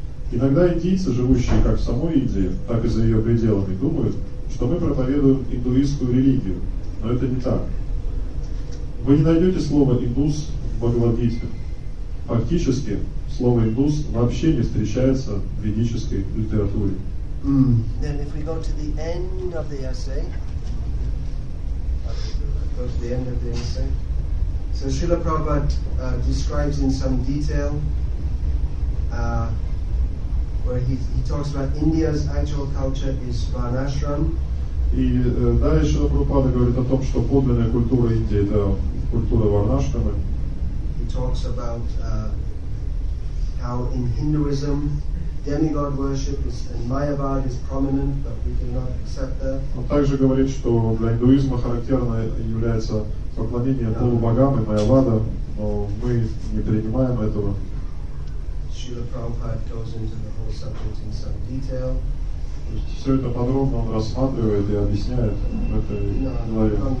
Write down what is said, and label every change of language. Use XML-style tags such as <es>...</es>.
<ru>Иногда индийцы, живущие как в самой Индии, так и за ее пределами, думают, что мы проповедуем индуистскую религию, но это не так. Вы не найдете слово «индус» в Бхагавад-гите. Фактически, слово «индус» вообще не встречается в ведической литературе.</ru> <en>Then if we go to the end of the essay, So Srila Prabhupada describes in some detail where he talks about India's actual culture is Varnashram.</en> <ru>И далее Шрила Прабхупада говорит о том, что подлинная культура Индии это культура Варнашрама.</ru> <en>He talks about how in Hinduism demigod worship is in Mayavad is prominent, but we cannot accept that.</en> <ru>Он также говорит, что для индуизма характерно является поклонение полубогам и Майявада, но мы не принимаем этого.</ru> <en>Srila Prabhupada goes into the whole subject in some detail.</en> <ru>Все это подробно он рассматривает и объясняет в этой главе.</ru>